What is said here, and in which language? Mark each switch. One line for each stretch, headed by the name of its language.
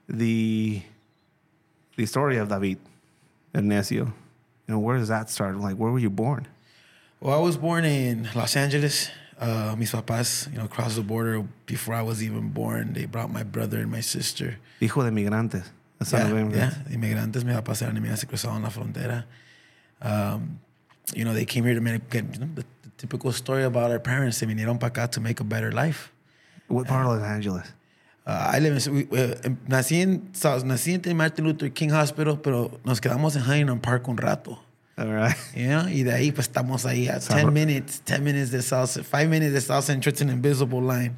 English: The story of David Ignacio, you know, where does that start? Like, where were you born? Well, I was born in Los Angeles.
Spanish: Mis papás,
English: you know, crossed the border before I was even born. They brought my brother and my sister.
Spanish: Hijo de migrantes. Yeah, inmigrantes. Mis papás eran inmigrantes que cruzaron la frontera.
English: You know, they came here to make, you know, the typical story about our parents. They
Spanish: vinieron para acá
English: to make a better life. What part of Los Angeles? I live in,
Spanish: nací en Martin Luther King Hospital, pero nos quedamos en Huntington Park un rato.
English: All right. Yeah,
Spanish: y de ahí pues estamos ahí a
English: 10 minutes
Spanish: de South,
English: 5 minutes
Spanish: de South Central,
English: it's an invisible line.